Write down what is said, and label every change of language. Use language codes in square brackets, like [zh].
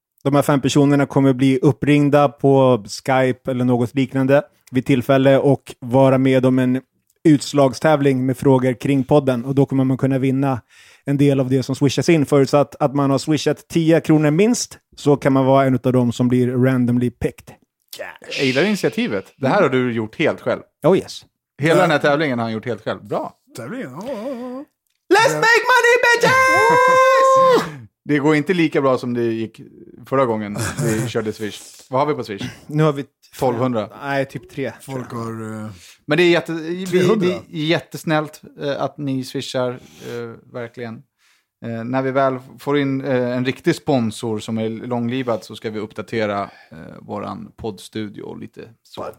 [sv] De här 5 personerna kommer bli uppringda på Skype eller något liknande vid tillfälle och vara med om en utslagstävling med frågor kring podden. Och då kommer man kunna vinna en del av det som swishas in. Förutsatt att man har swishat 10 kronor minst så kan man vara en av dem som blir randomly picked. [en] Cash. [sv] Jag gillar initiativet. Det här har du gjort helt själv. [en] Oh yes. [sv] Hela den här tävlingen har han gjort helt själv. Bra. Tävlingen? [en] Let's make money, bitches! [sv] Det går inte lika bra som det gick förra gången vi körde Swish. Vad har vi på Swish? Nu har vi 1200. Nej, typ 3. Folk har... Men det är, det är jättesnällt att ni swishar, verkligen. När vi väl får in en riktig sponsor som är långlivad så ska vi uppdatera våran poddstudio lite så.